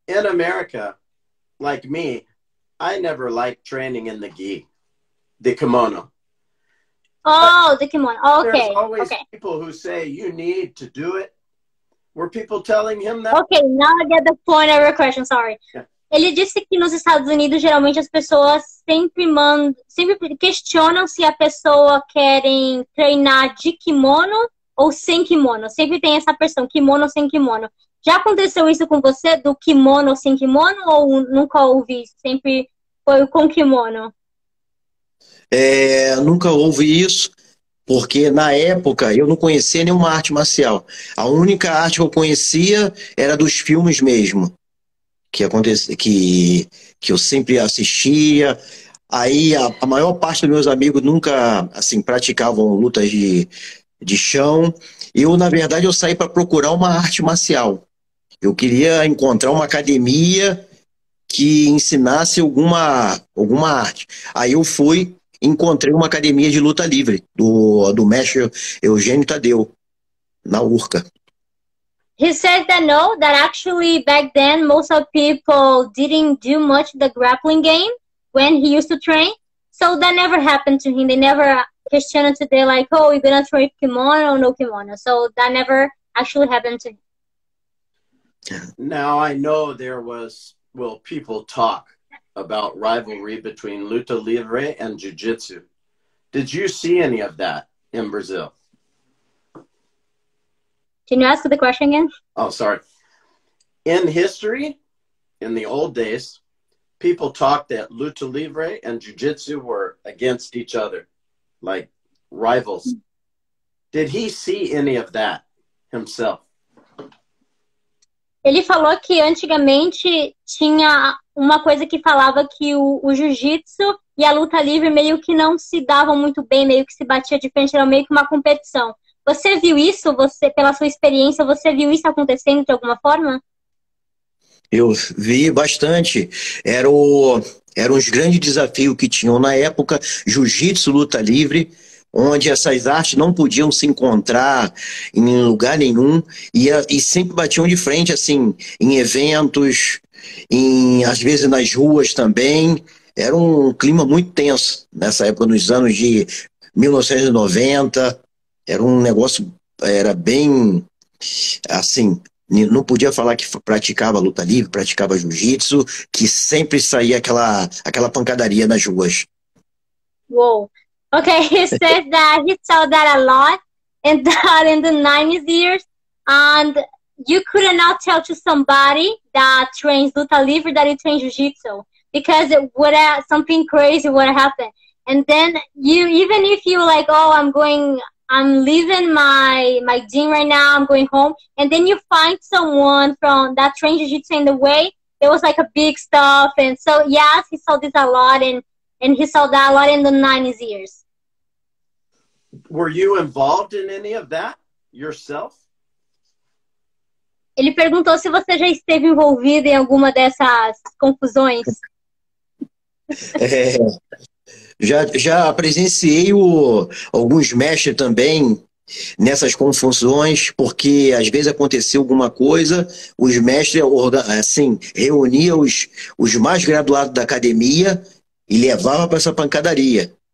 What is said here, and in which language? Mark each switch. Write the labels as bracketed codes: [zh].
[en] In America, like me, I never liked training in the gi, the kimono. Oh, the kimono. There's Okay, always okay. people who say, you need to do it. Were people telling him that? Okay, now I get the point of your question, sorry. [pt] Ele disse que nos Estados Unidos, geralmente, as pessoas sempre questionam se a pessoa querem treinar de kimono ou sem kimono. Sempre tem essa pressão, kimono ou sem kimono. Já aconteceu isso com você, do kimono ou sem kimono, ou nunca ouvi? Sempre foi com kimono. Nunca houve isso. Porque na época eu não conhecia nenhuma arte marcial. A única arte que eu conhecia era dos filmes mesmo, que eu sempre assistia. Aí a maior parte dos meus amigos nunca assim praticavam lutas de chão. Eu, na verdade, eu saí para procurar uma arte marcial. Eu queria encontrar uma academia que ensinasse alguma arte. Aí eu fui. Encontrei uma academia de luta livre do mestre Eugênio Tadeu, na Urca. [en] He said that no, that actually back then most of people didn't do much the grappling game when he used to train. So that never happened to him. They never questioned today like, oh, you're gonna train kimono or no kimono. So that never actually happened to him. Now I know there was will people talk about rivalry between luta livre and jiu-jitsu? Did you see any of that in Brazil? Can you ask the question again? Oh, sorry. In history, in the old days, people talked that luta livre and jiu-jitsu were against each other, like rivals. Did he see any of that himself? [pt] Ele falou que antigamente tinha uma coisa que falava que o jiu-jitsu e a luta livre meio que não se davam muito bem, meio que se batia de frente, era meio que uma competição. Você viu isso, você, pela sua experiência, você viu isso acontecendo de alguma forma? Eu vi bastante. Eram os grandes desafios que tinham na época, jiu-jitsu, luta livre, onde essas artes não podiam se encontrar em lugar nenhum e sempre batiam de frente, assim, em eventos, às vezes nas ruas também. Era um clima muito tenso nessa época, nos anos de 1990. Era um negócio, era bem, assim, não podia falar que praticava luta livre, praticava jiu-jitsu, que sempre saía aquela pancadaria nas ruas. Uou! [en] Okay, he said that he saw that a lot and that in the 90s years and you could not tell to somebody that trains luta livre that he trains jiu-jitsu because it would have, something crazy would happen. And then you, even if you like, oh, I'm leaving my gym right now, I'm going home, and then you find someone from that trains jiu-jitsu in the way, there was like a big stuff. And so, yes, he saw this a lot and he saw that a lot in the 90s years. Were you involved in any of that yourself? [pt] Ele perguntou se você já esteve envolvido em alguma dessas confusões. Já presenciei alguns mestres também nessas confusões, porque às vezes aconteceu alguma coisa, os mestres, assim, reuniam os mais graduados da academia e levava para essa pancadaria.